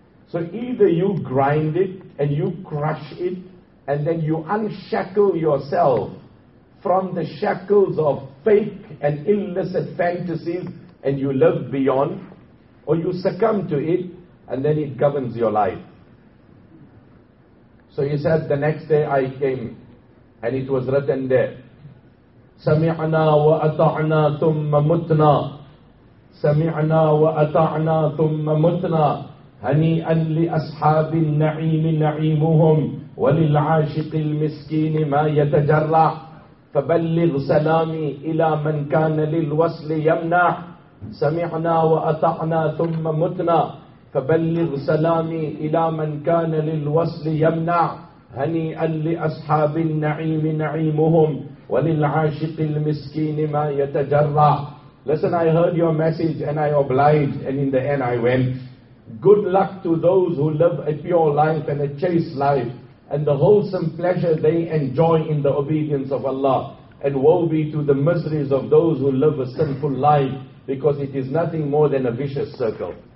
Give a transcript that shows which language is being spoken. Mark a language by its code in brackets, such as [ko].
[en] So either you grind it and you crush it, and then you unshackle yourself from the shackles of fake and illicit fantasies and you live beyond, or you succumb to it and then it governs your life. So he said, the next day I came, and it was written there, [ar] سَمِعْنَا وَأَطَعْنَا ثُمَّ مُتْنَا سَمِعْنَا وَأَطَعْنَا ثُمَّ مُتْنَا هَنِيئًا لِأَصْحَابِ النَّعِيمِ نَعِيمُهُمْ وَلِلْعَاشِقِ الْمِسْكِينِ مَا يَتَجَرَّعُ فَبَلِّغْ سَلَامِي إِلَى مَنْ كَانَ لِلْوَصْلِ يَمْنَعُ سَمِعْنَا وَأَطَعْنَا ثُمَّ مُتْنَا فَبَلِّغْ سَلَامِي إِلَى مَنْ كَانَ لِلْوَصْلِ يَمْنَعُ هَنِيئًا لِأَصْحَابِ النَّعِيمِ نَعِيمُهُمْ وَلِلْعَاشِقِ الْمِسْكِينِ مَا يَتَجَرَّعُ. [en] Listen, I heard your message and I obliged, and in the end I went. Good luck to those who live a pure life and a chaste life, and the wholesome pleasure they enjoy in the obedience of Allah. And woe be to the miseries of those who live a sinful life, because it is nothing more than a vicious circle.